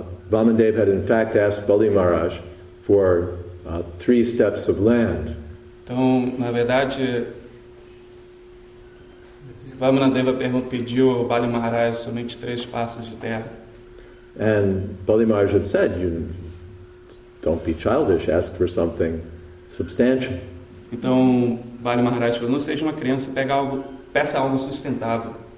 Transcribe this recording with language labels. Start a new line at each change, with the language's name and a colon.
English: Vamandev had, in fact, asked Bali Maharaj for three steps of land.
Portuguese: Então, na verdade, Vamandeva pediu ao Bali Maharaj somente três passos de terra.
English: And Bali Maharaj had said, "You don't be childish. Ask for something substantial."
Portuguese: Então, Bali Maharaj falou, "Não seja uma criança. Pega algo, peça algo sustentável."